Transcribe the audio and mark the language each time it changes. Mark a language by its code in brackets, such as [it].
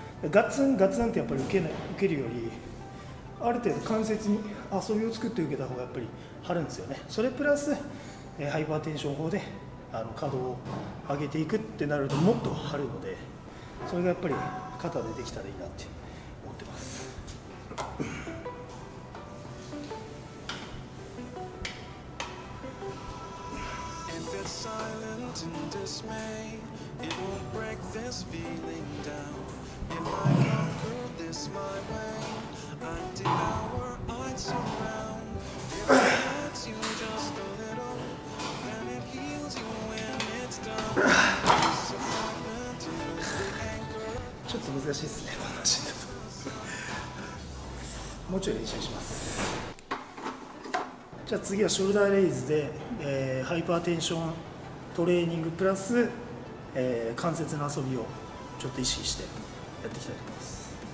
[ja] ガツンガツンってやっぱり受けるより、ある程度関節に遊びを作って受けた方がやっぱり張るんですよね。それプラスハイパーテンション法で可動を上げていくってなるともっと張るので、それがやっぱり肩でできたらいいなって思ってます。 [en] If it's silent in dismay, it won't break this feeling down. If I conquer this my way, I'd devour, I'd surround. If it hurts you just a little, then it heals you when it's done. Disappointment is the anchor. [ja] ちょっと難しいっすね、この話。もうちょい練習します。じゃあ次はショルダーレイズで、ハイパーテンショントレーニングプラス、関節の遊びをちょっと意識してやっていきたいと思います。